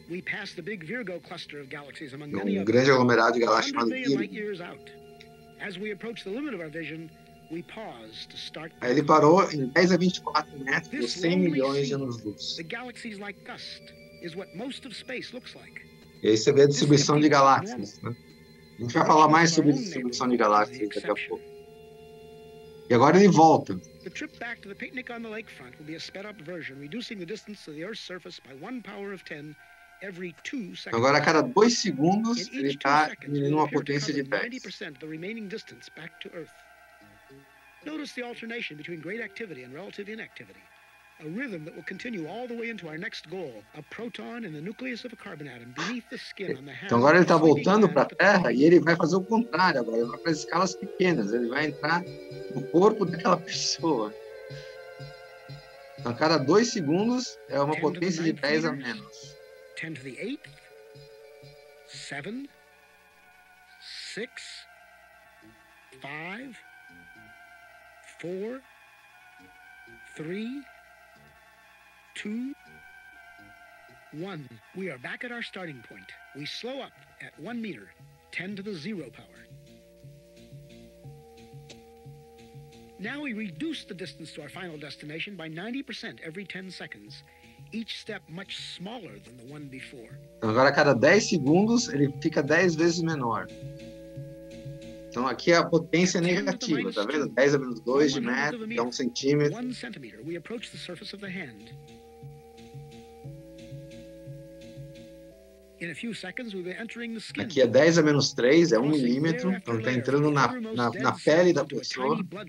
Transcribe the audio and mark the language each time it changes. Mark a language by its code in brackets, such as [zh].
[en] We pass the big Virgo cluster of galaxies among [pt] um grande aglomerado de galáxias chamado Virgo. [en] As we approach the limit of our vision, we pause to start. [pt] Aí ele parou em 10 a 24 metros, dos 100 milhões de anos-luz. [en] The galaxies like dust is what most of space looks like. [pt] E aí você vê a distribuição de galáxias, né? A gente vai falar mais sobre distribuição de galáxias daqui a pouco. E agora ele volta. [en] The trip back to the picnic on the lakefront will be a sped up version, reducing the distance to the Earth's surface by 1 power of 10 every 2 seconds. [pt] Agora a cada 2 segundos ele está diminuindo uma potência de 10. [en] 90% of the remaining distance back to Earth. Notice the alternation between great activity and relative inactivity. A rhythm that will continue all the way into our next goal, a proton in the nucleus of a carbon atom beneath the skin on the hand. [pt] Então agora ele está voltando para a Terra e ele vai fazer o contrário agora, ele vai para as escalas pequenas, ele vai entrar no corpo daquela pessoa. Então, a cada 2 segundos é uma potência de 10 a menos. [en] 10 to the 8th, 7, 6, 5, 4, 3, 2, 1. We are back at our starting point. We slow up at 1 meter, 10 to the 0 power. Now we reduce the distance to our final destination by 90% every 10 seconds, each step much smaller than the one before. [pt] Agora a cada 10 segundos ele fica 10 vezes menor. Então aqui é a potência negativa, tá vendo? 10 a menos 2 de metro, 1 centímetro. [en] 1 centimeter, we approach the surface of the hand. In a few seconds, we'll be entering the skin. [pt] Aqui é 10 a menos 3, é 1 milímetro, então está entrando na pele da pessoa.